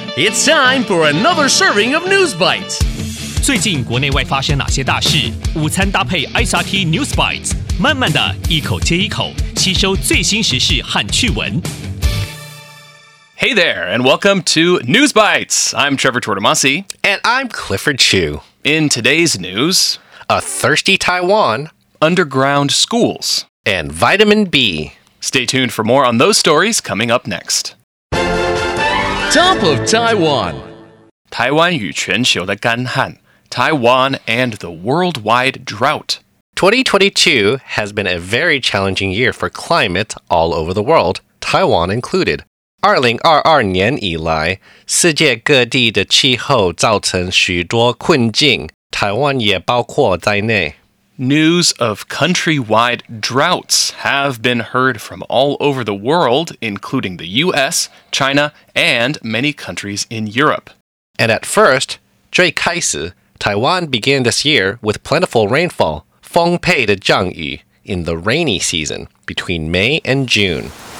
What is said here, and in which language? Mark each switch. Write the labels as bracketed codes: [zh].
[en] It's time for another serving of News Bites. [zh] 最近国内外发生哪些大事？午餐搭配 SRT News Bites， 慢慢的一口接一口，吸收最新时事和趣闻。 [en] Hey there, and welcome to News Bites. I'm Trevor Tortomasi. And I'm Clifford Chu. In today's news, a thirsty Taiwan, underground schools, and vitamin B. Stay tuned for more on those stories coming up next. Top of Taiwan. [zh] 台湾与全球的干旱, [en] Taiwan and the worldwide drought. 2022 has been a very challenging year for climate all over the world, Taiwan included. [zh] 2022年以来，世界各地的气候造成许多困境，台湾也包括在内。 [en] News of countrywide droughts have been heard from all over the world, including the US, China, and many countries in Europe. And at first, [zh] 最开始, [en] Taiwan began this year with plentiful rainfall, [zh] 丰沛的降雨, [en] in the rainy season, between May and June.